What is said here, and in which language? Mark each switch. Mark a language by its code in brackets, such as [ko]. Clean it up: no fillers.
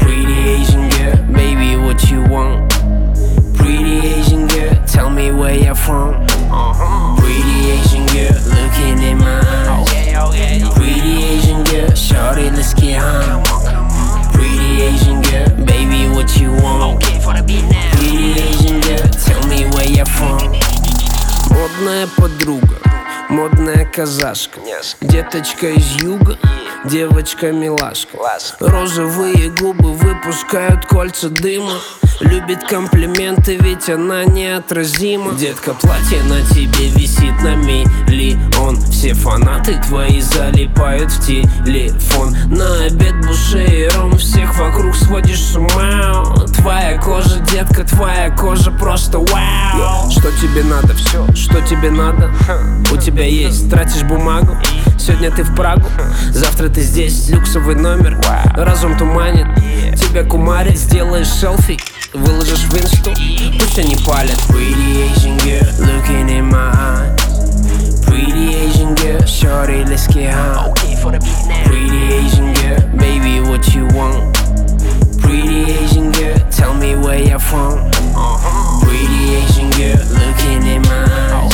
[en] Pretty Asian girl, baby, what you want? Pretty Asian girl, tell me where you're from. Pretty Asian girl looking in my eyes. Pretty Asian girl, shorty, let's get high. Pretty Asian girl, baby, what you want? Okay for the beat now. Pretty Asian girl, tell me where you're from. [ru] Модная подруга, модная казашка, деточка из юга, девочка-милашка. Розовые губы выпускают кольца дыма. Любит комплименты, ведь она неотразима. Детка, платье на тебе висит на миллион. Все фанаты твои залипают в телефон. На обед бушером всех вокруг сводишь с ума. Твоя кожа, детка, твоя кожа просто вау. Что тебе надо, все, что тебе надо? У тебя есть, тратишь бумагу. Сегодня ты в Прагу, завтра ты здесь. Люксовый номер, разум туманит. Тебя кумарит, сделаешь селфи, выложишь в инсту, пусть они палят. [en] Pretty Asian girl looking in my eyes. Pretty Asian girl, shorty, let's get high. Okay for the beat now. Pretty Asian girl, baby, what you want? Pretty Asian girl, tell me where you're from. Pretty Asian girl looking in my eyes.